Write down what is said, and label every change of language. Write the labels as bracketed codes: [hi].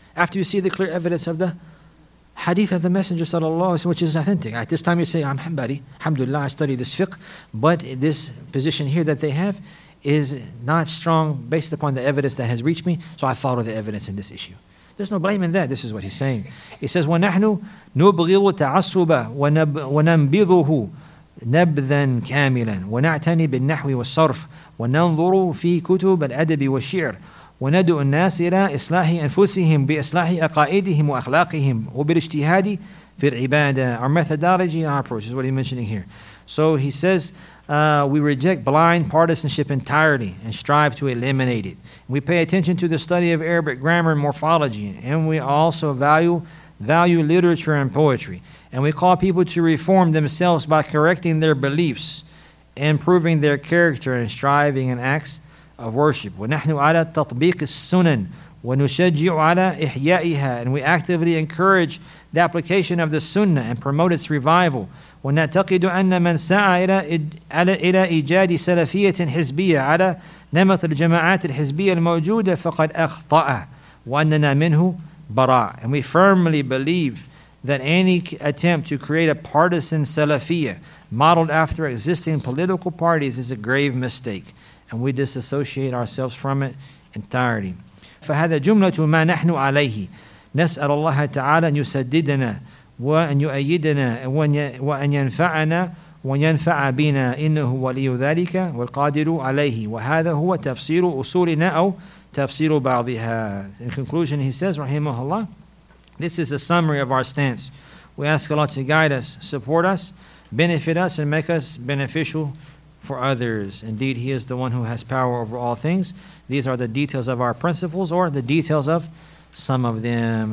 [en] After you see the clear evidence of the hadith of the Messenger sallallahu alaihi wasallam, which is authentic. At this time you say, I'm Hanbali, alhamdulillah, I study this fiqh, but this position here that they have is not strong based upon the evidence that has reached me, so I follow the evidence in this issue. There's no blame in that. This is what he's saying. He says, [ar] وَنَحْنُ نُبْغِضُ تَعَصُّبَ وَنَنْبِضُهُ نَبْذًا كَامِلًا وَنَعْتَنِي بِالنَّحْوِ وَالصَّرْفِ وَنَنْظُرُ فِي كُتُبَ الْأَدَبِ وَالشِّعْرِ وندعو الناس إلى إصلاح أنفسهم بإصلاح أقائدهم وأخلاقهم وبالاجتهاد في العبادة. [en] Our methodology and our approach is what he's mentioning here. So he says, we reject blind partisanship entirely and strive to eliminate it. We pay attention to the study of Arabic grammar and morphology, and we also value literature and poetry. And we call people to reform themselves by correcting their beliefs, improving their character, and striving in acts of worship. [ar] ونحن على تطبيق السنن ونشجع على إحيائها. [en] And we actively encourage the application of the sunnah and promote its revival. [ar] ونعتقد أن من سعى إلى إيجاد سلفية حزبية على نمط الجماعات الحزبية الموجودة فقد أخطأ وأننا منه براء. [en] And we firmly believe that any attempt to create a partisan Salafiyah modeled after existing political parties is a grave mistake. And we disassociate ourselves from it entirely. [ar] فهذا جملة ما نحن عليه. نسأل الله تعالى أن يسددنا وأن يؤيدنا وأن ينفعنا وينفع بنا إنه ولي ذلك والقادر عليه. وهذا هو تفسير أصولنا أو تفسير بعضها. [en] In conclusion, he says, [ar] رحمه الله, [en] this is a summary of our stance. We ask Allah to guide us, support us, benefit us, and make us beneficial for others. Indeed, he is the one who has power over all things. These are the details of our principles, or the details of some of them.